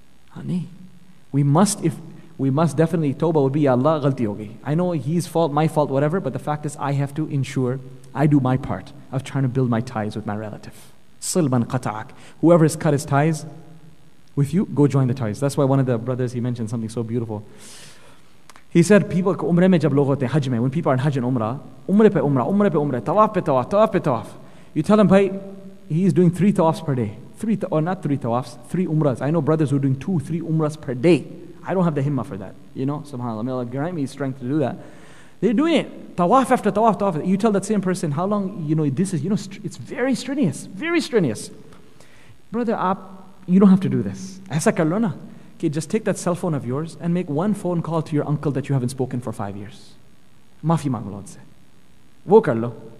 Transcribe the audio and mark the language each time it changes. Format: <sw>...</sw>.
<en>Honey, we must definitely, tawbah would be, ya Allah,</en> <ur>galti ho gayi.</ur> <en>I know his fault, my fault, whatever, but the fact is I have to ensure I do my part of trying to build my ties with my relative.</en> <ar>Silman qata'ak.</ar> <en>Whoever has cut his ties with you, go join the ties. That's why one of the brothers, he mentioned something so beautiful. He said, people</en> <ur>عمرہ میں جب لوگ ہوتے ہیں حج میں,</ur> <en>when people are in hajj and umrah,</en> <ur>طواف پہ طواف۔</ur> <en>You tell him, bhai, he is doing three tawafs per day. Three umrahs. I know brothers who are doing 2-3 umrahs per day. I don't have the himma for that. You know, subhanAllah, may Allah grant me strength to do that. They're doing it. Tawaf after tawaf, tawaf. You tell that same person, how long, you know, this is, you know, it's very strenuous. Very strenuous. Brother, you don't have to do this.</en> <ur>ایسا کر لو نا۔</ur> <en>Okay, just take that cell phone of yours and make one phone call to your uncle that you haven't spoken for 5 years.</en> <ur>معافی مانگ لو ان سے۔ وہ کر لو۔</ur>